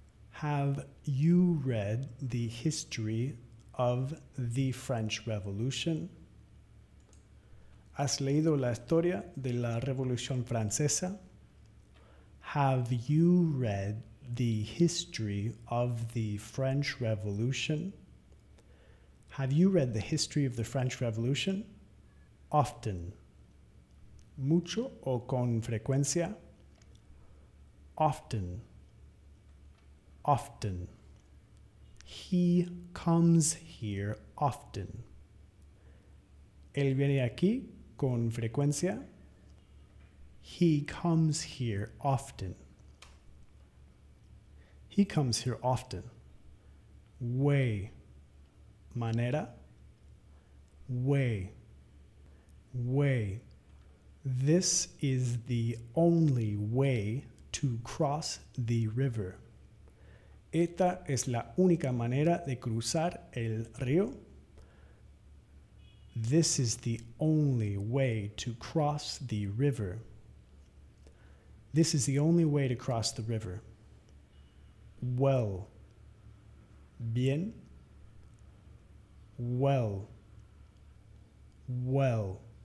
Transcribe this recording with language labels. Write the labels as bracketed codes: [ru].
[en] Have you read the history of the French Revolution? [es] ¿Has leído la historia de la Revolución Francesa? [en] Have you read the history of the French Revolution? Have you read the history of the French Revolution? Often. [es] Mucho o con frecuencia. [en] Often. Often. He comes here often. [es] Él viene aquí con frecuencia. [en] He comes here often. He comes here often. Way. [es] Manera. [en] Way. Way. This is the only way to cross the river. [es] Esta es la única manera de cruzar el río. [en] This is the only way to cross the river. This is the only way to cross the river. Well. [es] Bien. [en] well. Well.